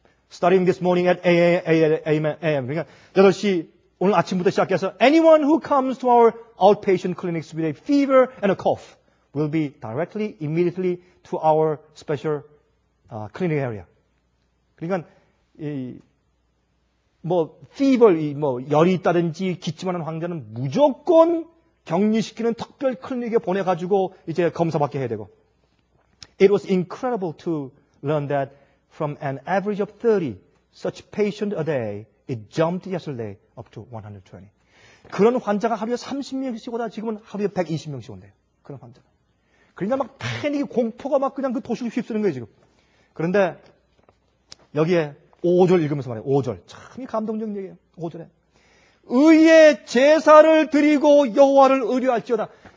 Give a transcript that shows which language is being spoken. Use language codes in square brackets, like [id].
[en] starting this morning at AM [ko] 그러니까 8시 오늘 아침부터 시작해서 [en] anyone who comes to our outpatient clinics with a fever and a cough will be directly, immediately to our special clinic area. [ko] 그러니까 이 뭐 fever, 이 뭐 열이 있다든지 기침하는 환자는 무조건 격리시키는 특별 클리닉에 보내가지고 이제 검사받게 해야 되고. [en] It was incredible to learn that from an average of 30 such patients a day. It jumped yesterday up to 120. [ko] 그런 환자가 하루에 30명씩 오다 지금은 하루에 120명씩 온대요. 그런 환자. 그러니까 막 패닉이 공포가 막 그냥 그 도시를 휩쓰는 거예요, 지금. 그런데 여기에 5절 읽으면서 말해요. 5절. 참 감동적인 얘기예요. 5절에. 의의 제사를 드리고 여호와를 의뢰할지어다.